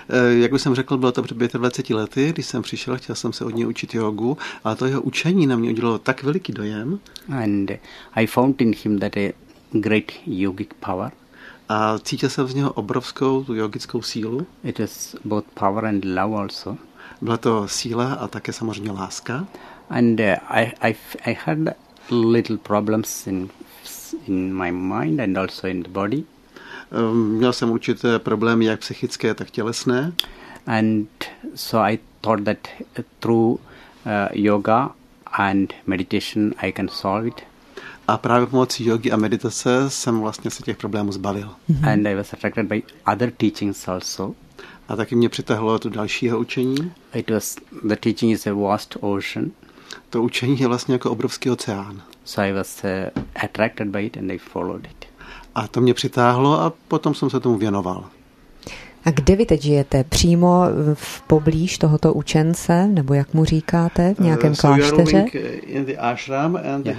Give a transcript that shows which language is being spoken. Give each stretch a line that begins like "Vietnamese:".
Czech: Jak už jsem řekl, bylo to před 25 lety, když jsem přišel, chtěl jsem se od něj učit jogu, a to jeho učení na mě udělalo tak veliký dojem.
English: And I found in him that a great yogic power.
Czech: A cítil jsem z něho obrovskou tu yogickou sílu.
English: It is both power and love also.
Czech: Byla to síla a také samozřejmě láska.
English: And I had little problems in my mind and also in the body.
Czech: Měl jsem určité problémy jak psychické, tak tělesné.
English: And so I thought that through yoga and meditation I can solve it.
Czech: A právě pomocí jogy a meditace jsem vlastně se těch problémů zbavil.
English: And I was attracted by other teachings also.
Czech: A taky mě přitahlo to dalšího učení.
English: It was, the teaching is a vast ocean.
Czech: To učení je vlastně jako obrovský oceán.
English: So I was attracted by it and I followed it.
Czech: A to mě přitáhlo a potom jsem se tomu věnoval. A kde vy teď žijete? Přímo v poblíž tohoto učence, nebo jak mu říkáte, v nějakém klášteře?
English: So you are living in the ashram and yeah.